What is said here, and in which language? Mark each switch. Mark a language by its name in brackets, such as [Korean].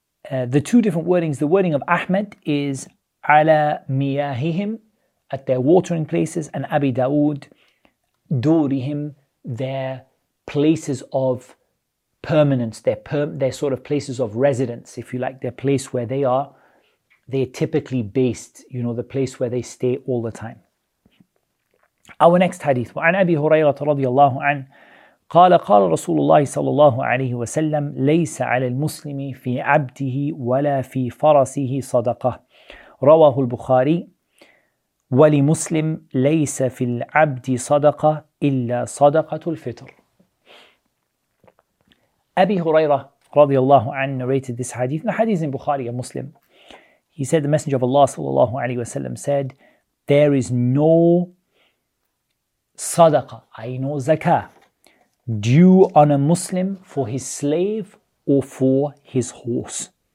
[English] The two different wordings, the wording of Ahmed is ala miyahihim, at their watering places, and Abi Dawood, durihim, their places of permanence, their sort of places of residence, if you like, their place where they are, they're typically based, you know, the place where they stay all the time. Our next hadith, [Arabic] وعن أبي هريرة رضي الله عنه قال قال رسول الله صلى الله عليه وسلم ليس على المسلم في عبده ولا في فرسه صدقة رواه البخاري ولمسلم ليس في العبد صدقة إلا صدقة الفطر أبي هريرة [English] radiallahu anhu narrated this hadith. The hadith is in Bukhari, a Muslim. He said, the Messenger of Allah sallallahu alayhi wa sallam said, there is no sadaqah, I know zakah, due on a Muslim for his slave or for his horse.